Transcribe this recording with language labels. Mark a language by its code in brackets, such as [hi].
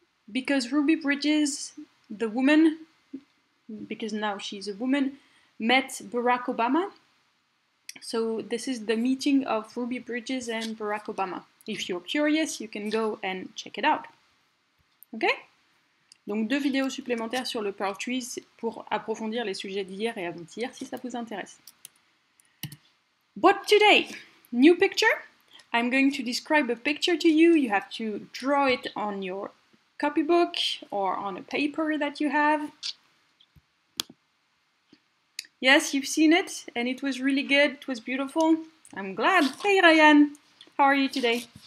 [en] Because Ruby Bridges, the woman, because now she's a woman, met Barack Obama. So this is the meeting of Ruby Bridges and Barack Obama. If you're curious, you can go and check it out. Okay? [fr] Donc deux vidéos supplémentaires sur le Pearltrees pour approfondir les sujets d'hier et avant-hier si ça vous intéresse. [en] But today, new picture. I'm going to describe a picture to you. You have to draw it on your copybook or on a paper that you have. Yes, you've seen it and it was really good. It was beautiful. I'm glad. Hey, Ryan. How are you today?